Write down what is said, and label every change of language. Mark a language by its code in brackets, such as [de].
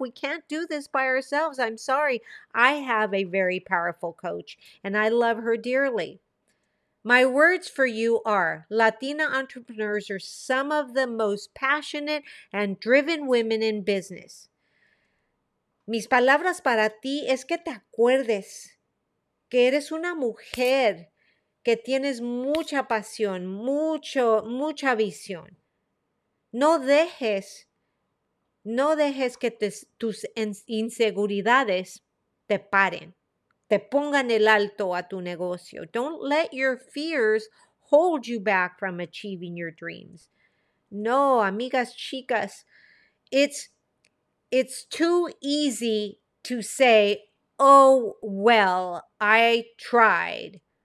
[en] We can't do this by ourselves. I'm sorry. I have a very powerful coach and I love her dearly. My words for you are, Latina entrepreneurs are some of the most passionate and driven women in business. [es] Mis palabras para ti es que te acuerdes que eres una mujer que tienes mucha pasión, mucha visión. No dejes que tus inseguridades te paren, te pongan el alto a tu negocio. [en] Don't let your fears hold you back from achieving your dreams. No, [es] amigas, chicas, [en] it's too easy to say, oh, well, I tried.